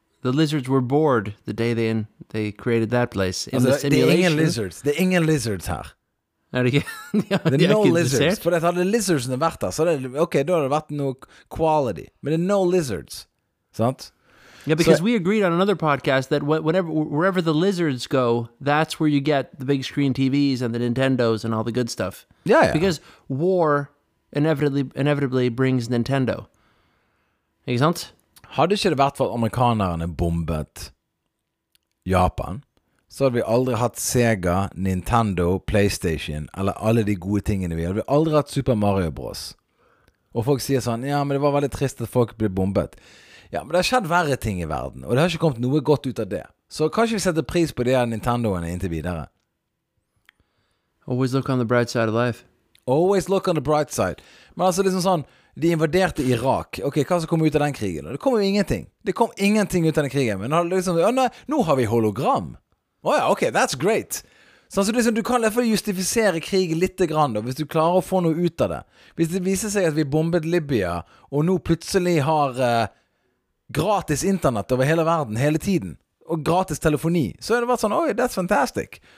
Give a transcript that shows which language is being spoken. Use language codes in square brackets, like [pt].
[en] The lizards were bored the day they created that place. In altså, the [no] simulation. Det er ingen lizards her. Er det ikke? Ja, det er [en] no lizards. [no] Dessert. For at hadde lizardsene vært her, så det, ok, da hadde det vært noe quality. Men det er [en] no lizards. [no] Sant? [en] Yeah, because we agreed on another podcast that wherever the lizards go, that's where you get the big screen TVs and the Nintendos and all the good stuff. Yeah, yeah. Because war inevitably brings Nintendo. [no] Ikke sant? Hadde ikke det vært for at amerikanerne bombet Japan, så hadde vi aldri hatt Sega, Nintendo, PlayStation, eller alle de gode tingene vi hadde. Vi hadde aldri hatt Super Mario Bros. Og folk sier sånn, ja, men det var veldig trist at folk ble bombet. Ja, men det har skjedd verre ting i verden, og det har ikke kommet noe godt ut av det. Så kanskje vi setter pris på det Nintendoene inntil videre. Always look on the bright side of life. [en] Always look on the bright side. [no] Men altså liksom sånn, de invaderte Irak. Ok, hva som kom ut av den krigen? Det kom jo ingenting. Det kom ingenting ut av den krigen. Men liksom, ja, nå har vi hologram. Åja, ok, [en] that's great. [no] Sånn, så liksom, du kan derfor justifisere krigen litt grann, da, hvis du klarer å få noe ut av det. Hvis det viser seg at vi bombet Libya, og nå plutselig har gratis internett over hele verden, hele tiden, og gratis telefoni, så har det vært sånn, oi, [en] that's fantastic.